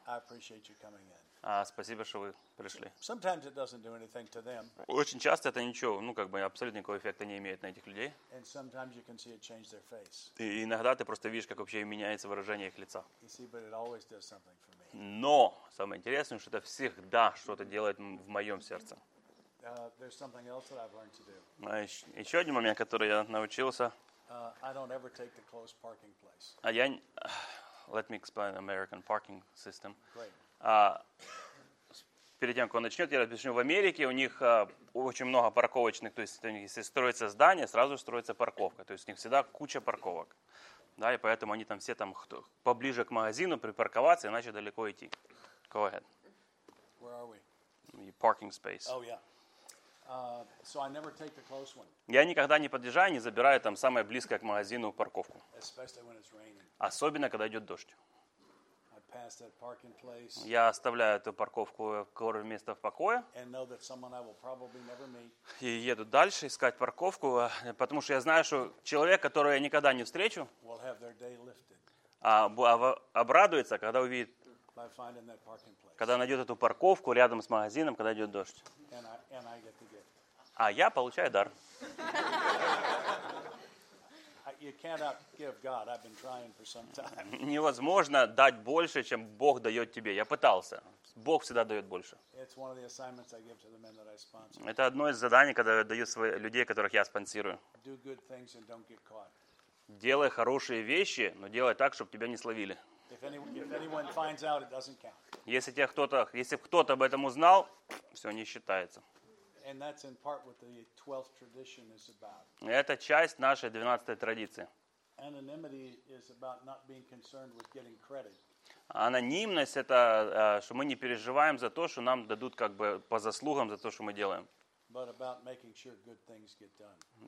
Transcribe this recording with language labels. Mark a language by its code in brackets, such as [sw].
[en] I appreciate you coming in. [ru] Спасибо, что вы пришли. [en] Sometimes it doesn't do anything to them. [ru] Очень часто это ничего, ну как бы абсолютно никакого эффекта не имеет на этих людей. [en] And sometimes you can see it change their face. [ru] И иногда ты просто видишь, как вообще меняется выражение их лица. [en] You see, but it always does something for me. [ru] Но самое интересное, что это всегда что-то делает в моем сердце. [en] There's something else that I've learned to do. [ru] Еще один момент, который я научился. [en] I don't ever take the closed parking place. Let me explain the American parking system. Great. [ru] Перед тем, как он начнет, я объясню. В Америке у них очень много парковочных. То есть, если строится здание, сразу строится парковка. То есть, у них всегда куча парковок. Да, и поэтому они там все там поближе к магазину припарковаться, иначе далеко идти. [en] Go ahead. Where are we? Your parking space. Oh, yeah. So I never take the close one. [ru] Я никогда не подъезжаю, не забираю там самое близкое к магазину парковку. [en] Especially when it's raining. [ru] Особенно, когда идет дождь. [en] I pass that parking place. [ru] Я оставляю эту парковку вместо в покое. [en] And know that someone I will probably never meet. [ru] И еду дальше искать парковку, потому что я знаю, что человек, которого я никогда не встречу, [en] will have their day lifted. [ru] Обрадуется, когда увидит, [en] by finding that parking place. [ru] Когда найдет эту парковку рядом с магазином, когда идет дождь. [en] And I get the gift. [ru] А я получаю дар. [en] You cannot give God. I've been trying for some time. [ru] Невозможно дать больше, чем Бог дает тебе. Я пытался. Бог всегда дает больше. [en] It's one of the assignments I give to the men that I sponsor. [ru] Это одно из заданий, когда я даю людей, которых я спонсирую. [en] Do good things and don't get caught. [ru] Делай хорошие вещи, но делай так, чтобы тебя не словили. [en] If anyone finds out, it doesn't count. [ru] Если кто-то об этом узнал, все не считается. [en] And that's in part what the 12th tradition is about. [ru] Это часть нашей 12-й традиции. [en] Anonymity is about not being concerned with getting credit. [ru] Анонимность это, что мы не переживаем за то, что нам дадут как бы по заслугам за то, что мы делаем. [en] But about making sure good things get done.